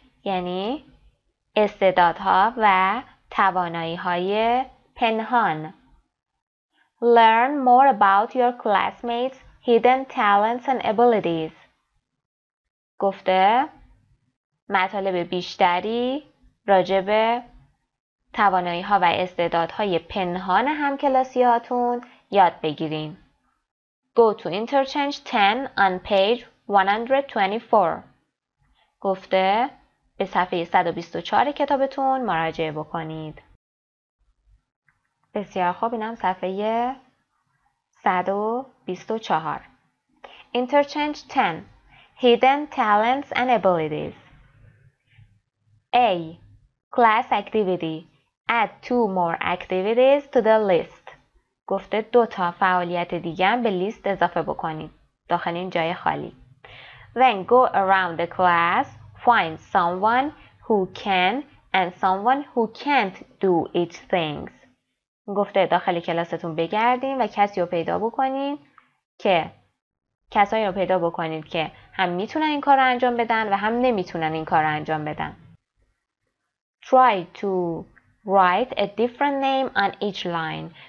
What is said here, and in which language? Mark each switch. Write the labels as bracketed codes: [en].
[fa] یعنی استعدادها و توانایی‌های پنهان. [en] Learn more about your classmates' hidden talents and abilities. [fa] گفته مطالب بیشتری راجع به توانایی ها و استعدادهای پنهان همکلاسی هاتون یاد بگیرین. [en] Go to interchange 10 on page 124. [fa] گفته به صفحه 124 کتابتون مراجعه بکنید. بسیار خوب، اینم صفحه 124. [en] Interchange 10. Hidden talents and abilities. A. Class activity. Add two more activities to the list. [fa] گفته دو تا فعالیت دیگه به لیست اضافه بکنید داخل این جای خالی. [en] Then go around the class, find someone who can and someone who can't do each things. [fa] گفته داخل کلاستون بگردین و کسی رو پیدا بکنین که کسایی رو پیدا بکنید که هم میتونن این کار رو انجام بدن و هم نمیتونن این کار رو انجام بدن. [en] Try to write a different name on each line.